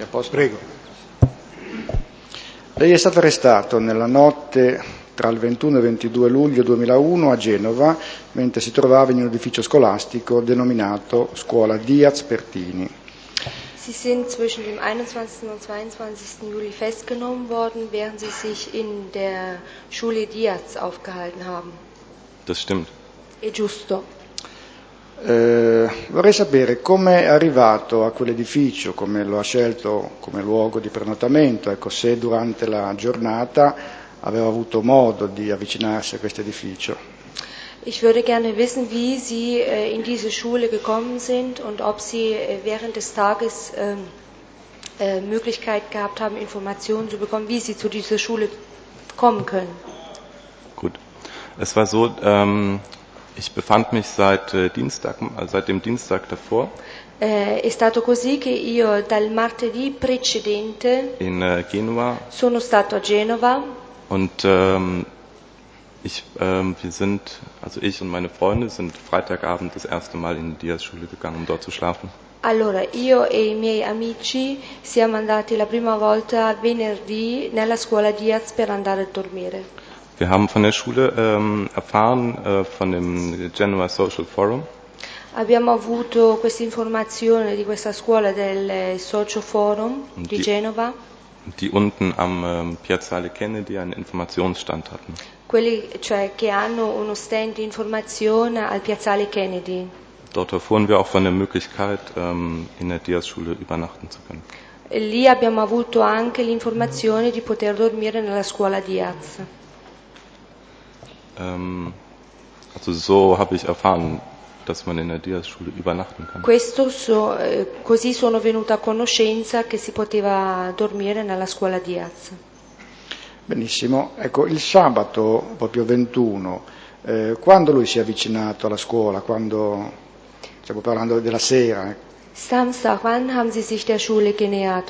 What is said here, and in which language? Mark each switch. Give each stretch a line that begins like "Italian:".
Italian: Prego. Lei è stato arrestato nella notte tra il 21 e 22 luglio 2001 a Genova, mentre si trovava in un edificio scolastico denominato Scuola Diaz Pertini.
German: Sie sind zwischen dem 21. und 22. Juli festgenommen worden, während Sie sich in der Schule Diaz aufgehalten haben. Das stimmt.
Italian: È giusto. Vorrei sapere come è arrivato a quell'edificio, come lo ha scelto come luogo di prenotamento, ecco, se durante la giornata aveva avuto modo di avvicinarsi a questo edificio.
German: Ich würde gerne wissen, wie Sie in diese Schule gekommen sind und ob Sie während des Tages Möglichkeit gehabt haben, Informationen zu bekommen, wie Sie zu dieser Schule kommen können. Gut. Es war so, ich befand mich seit dem Dienstag davor.
Italian: È stato così che io dal martedì precedente in Genova sono stato a Genova.
German: Und ich und meine Freunde sind Freitagabend das erste Mal in die Diaz-Schule gegangen, um dort zu schlafen.
Italian: Allora, io e i miei amici siamo andati la prima volta venerdì nella scuola Diaz per andare a dormire.
German: Wir haben von der Schule erfahren von dem Genoa Social Forum.
Italian: Abbiamo avuto questa informazione di questa scuola del Social Forum di Genova.
German: Die unten am Piazzale Kennedy einen Informationsstand hatten.
Italian: Quelli, cioè, che hanno uno stand di informazione al Piazzale Kennedy.
German: Dort erfuhren wir auch von der Möglichkeit, in der Diaz-Schule übernachten zu können.
Italian: Lì abbiamo avuto anche l'informazione di poter dormire nella scuola Diaz.
German: Also so habe ich erfahren, dass man in der Diaz-Schule übernachten kann.
Italian: Questo so, così sono venuta a conoscenza che si poteva dormire nella scuola Diaz. Benissimo. Ecco, il sabato, proprio 21, quando lui si è avvicinato alla scuola? Quando, stiamo parlando della sera.
German: Samstag, wann haben Sie sich der Schule genähert?